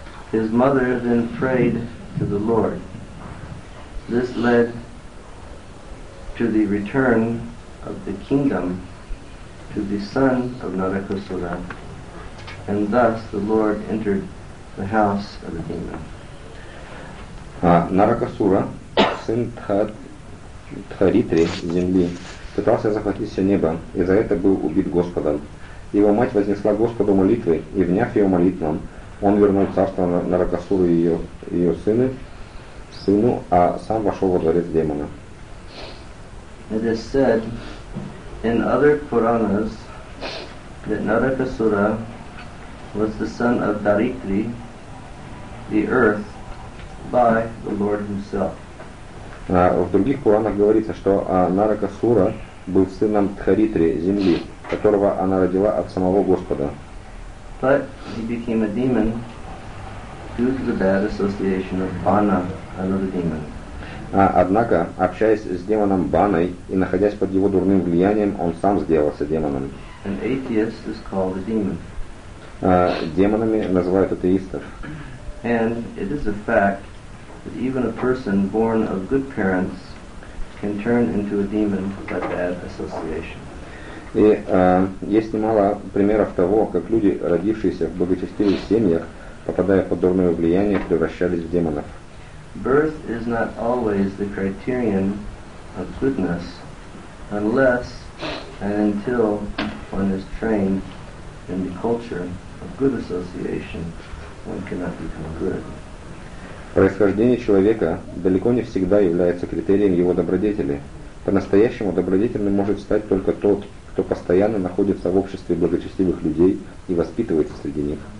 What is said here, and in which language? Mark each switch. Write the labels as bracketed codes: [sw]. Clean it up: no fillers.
[en] His mother then prayed to the Lord. This led to the return of the kingdom to the son of Narakasura, and thus the Lord entered the house of the demon. [ru] Наракасура, сын Тхаритри, земли, пытался захватить все небо, и за это был убит Господом. Его мать вознесла Господу молитвы, и, вняв ее молитвам, он вернул царство Наракасуру и ее сыну, а сам вошел во дворец демона. [en] It is said in other Puranas that Наракасура was the son of Даритри, the earth, by the Lord himself. [ru] В других Пуранах говорится, что Наракасура был сыном Тхаритри, земли, которого она родила от самого Господа. [en] But he became a demon due to the bad association of Bana, another demon. [ru] Однако, общаясь с демоном Баной и находясь под его дурным влиянием, он сам сделался демоном. [en] An atheist is called a demon. [ru] Демонами называют атеистов. [en] And it is a fact that even a person born of good parents can turn into a demon by bad association. [ru] И есть немало примеров того, как люди, родившиеся в благочестивых семьях, попадая под дурное влияние, превращались в демонов. [en] Birth is not always the criterion of goodness unless and until one is trained in the culture of good association. One cannot become good. [ru] Происхождение человека далеко не всегда является критерием его добродетели. По-настоящему добродетельным может стать только тот, кто постоянно находится в обществе благочестивых людей и воспитывается среди них.